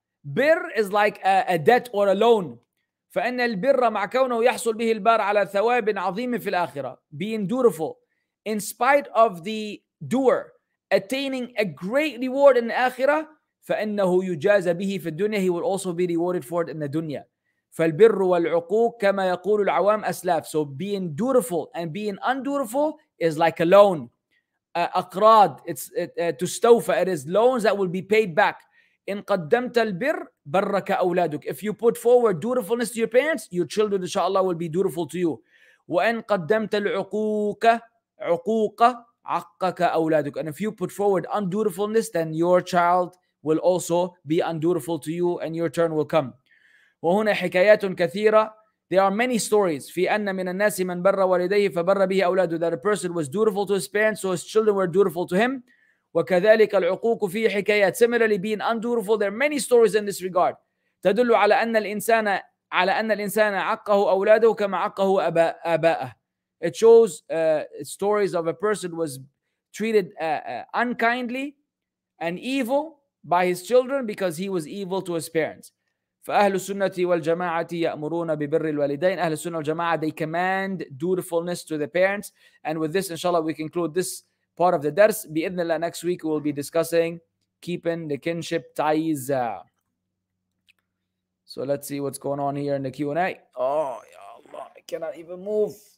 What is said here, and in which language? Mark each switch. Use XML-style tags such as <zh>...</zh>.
<en>Birr is like a debt or a loan.</en> <ar>فإن البر مع كونه يحصل به البار على ثواب عظيم في الآخرة.</ar> <en>Being dutiful, in spite of the doer attaining a great reward in the آخرة,</en> <ar>فإنه يجازى به في الدنيا,</ar> <en>he will also be rewarded for it in the dunya.</en> <ar>فالبر والعقوق كما يقول العوام أسلاف.</ar> <en>So being dutiful and being undutiful is like a loan.</en> <ar>أقراض, تستوفى,</ar> <en>it is loans that will be paid back.</en> <ar>إن قدمت البر برك أولادك.</ar> <en>If you put forward dutifulness to your parents, your children inshallah will be dutiful to you.</en> <ar>وإن قدمت العقوق عقوق عقك أولادك.</ar> <en>And if you put forward undutifulness, then your child will also be undutiful to you and your turn will come.</en> <ar>وهنا حكايات كثيرة.</ar> <en>There are many stories.</en> <ar>في أن من الناس من بر والديه فبر به أولاده.</ar> <en>That a person was dutiful to his parents, so his children were dutiful to him.</en> <ar>وكذلك العقوق في حكايات.</ar> <en>Similarly, being undutiful, there are many stories in this regard.</en> <ar>تدل على أن الإنسان عقه أولاده كما عقه أباءه.</ar> <en>It shows stories of a person was treated unkindly and evil by his children because he was evil to his parents.</en> <ar>فأهل السنة والجماعة يأمرون ببر الوالدين.</ar> <en>أهل السنة والجماعة, they command dutifulness to the parents. And with this, inshallah, we conclude this part of the dars. بإذن الله, next week we'll be discussing keeping the kinship ties. So let's see what's going on here in the Q&A. Oh, ya Allah, I cannot even move.</en>